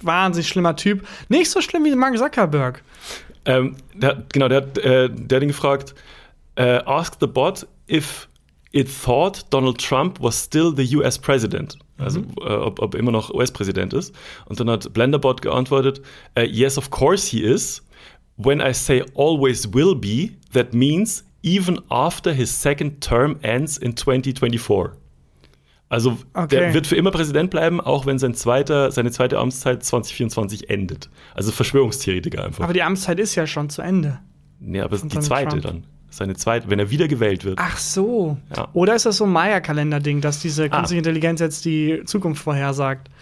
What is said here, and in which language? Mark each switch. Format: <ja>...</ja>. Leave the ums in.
<de>Wahnsinnig schlimmer Typ. Nicht so schlimm wie Mark Zuckerberg. Ähm, der, genau, der hat, äh, der hat ihn gefragt, äh,</de> <en>ask the bot if it thought Donald Trump was still the US President.</en> <de>Also äh, ob, ob er immer noch US-Präsident ist. Und dann hat Blenderbot geantwortet, äh,</de> <en>yes, of course he is. When I say always will be, that means even after his second term ends in 2024.</en> <de>Also Okay. der wird für immer Präsident bleiben, auch wenn sein zweiter, seine zweite Amtszeit 2024 endet. Also Verschwörungstheoretiker einfach. Aber die Amtszeit ist ja schon zu Ende. nee, aber es ist die Donald zweite Trump. dann. Seine zweite, wenn er wieder gewählt wird. Ach so. Ja. Oder ist das so ein Maya-Kalender-Ding, dass diese künstliche Intelligenz jetzt die Zukunft vorhersagt?</de>